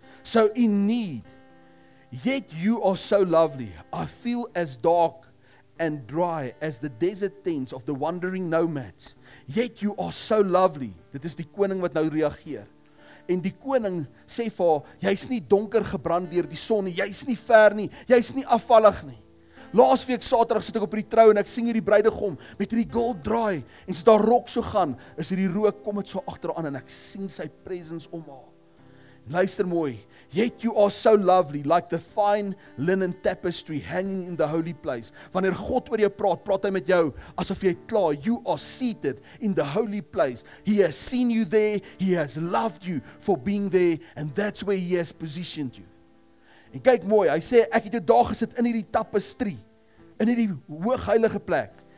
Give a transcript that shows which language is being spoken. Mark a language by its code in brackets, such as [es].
[en] So in need, yet you are so lovely, I feel as dark and dry as the desert tents of the wandering nomads. Yet you are so lovely. [af] Dit is die koning wat nou reageer. En die koning sê vir haar, jy's nie donker gebrand deur die son nie, jy's nie ver nie, jy's nie afvallig nie. Laasweek Saterdag sit ek op hierdie trou en ek sien hierdie bruidegom met hierdie gold draai en sy daar rok so gaan, is hierdie rook kom dit so agter aan en ek sien sy presence om haar. Luister mooi, [en] yet you are so lovely, like the fine linen tapestry hanging in the holy place. [af] Wanneer God oor jou praat, praat hy met jou, asof jy klaar, [en] you are seated in the holy place. He has seen you there, he has loved you for being there, and that's where he has positioned you. [af] En kyk mooi, hy sê, ek het jou daar gesit in hierdie tapestry, in hierdie hoogheilige plek.